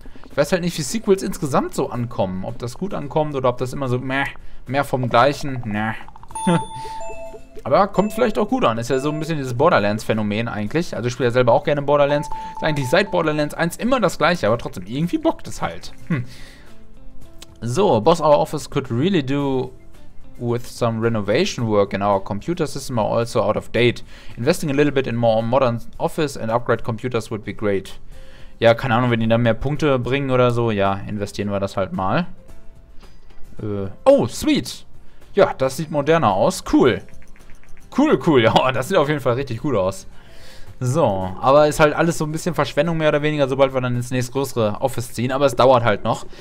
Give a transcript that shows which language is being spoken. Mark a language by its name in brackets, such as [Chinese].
[German] Ich weiß halt nicht, wie Sequels insgesamt so ankommen. Ob das gut ankommt oder ob das immer so mehr vom Gleichen. Nah. Aber kommt vielleicht auch gut an. Ist ja so ein bisschen dieses Borderlands-Phänomen eigentlich. Also ich spiele ja selber auch gerne Borderlands. Ist eigentlich seit Borderlands 1 immer das Gleiche, aber trotzdem irgendwie bockt es halt. [English] So, Boss, our office could really do with some renovation work and our computer system are also out of date. Investing a little bit in more modern office and upgrade computers would be great. [German] Ja, keine Ahnung, wenn die dann mehr Punkte bringen oder so. Ja, investieren wir das halt mal. [English] Oh, sweet. [German] Ja, das sieht moderner aus. Cool. Cool, cool. Ja, das sieht auf jeden Fall richtig gut aus. So, aber ist halt alles so ein bisschen Verschwendung mehr oder weniger, sobald wir dann ins nächste größere Office ziehen. Aber es dauert halt noch.